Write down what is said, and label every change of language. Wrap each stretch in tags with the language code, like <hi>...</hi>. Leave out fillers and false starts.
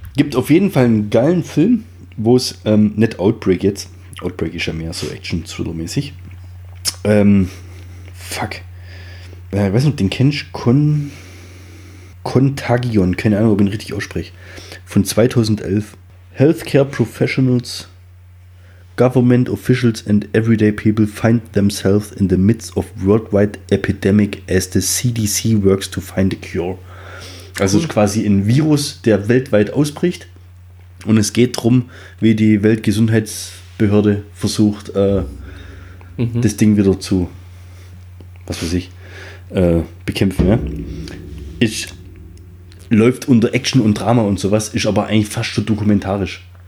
<de>Gibt auf jeden Fall einen geilen Film, wo es nicht Outbreak jetzt. Outbreak ist ja mehr so Action-Thriller-mäßig. Ich weiß nicht, den kennst du? Contagion. Keine Ahnung, ob ich ihn richtig ausspreche. Von 2011.</de> <en>Healthcare Professionals, Government Officials and Everyday People find themselves in the midst of worldwide epidemic as the CDC works to find a cure.</en> <de>Also ist quasi ein Virus, der weltweit ausbricht. Und es geht darum, wie die Weltgesundheitsbehörde versucht, das Ding wieder zu, was weiß ich, bekämpfen. Ja? Ich läuft unter Action und Drama und sowas, ist aber eigentlich fast schon dokumentarisch.</de>